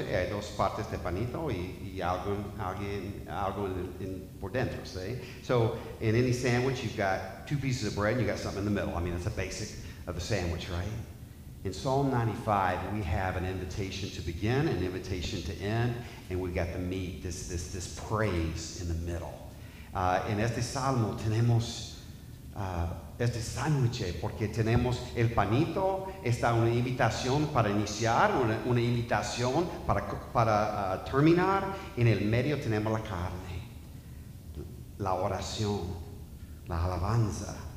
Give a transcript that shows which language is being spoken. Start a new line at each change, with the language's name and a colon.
Spanish: Hay dos partes de panito y algo por dentro. ¿Sí?
English: So in any sandwich, you've got two pieces of bread and you got something in the middle. I mean, that's a basic of a sandwich, right? In Psalm 95, we have an invitation to begin, an invitation to end, and we've got the meat, this praise in the middle.
Spanish: En este salmo tenemos este sándwich, porque tenemos el panito, está una invitación para iniciar, una invitación para terminar. En el medio tenemos la carne, la oración, la alabanza.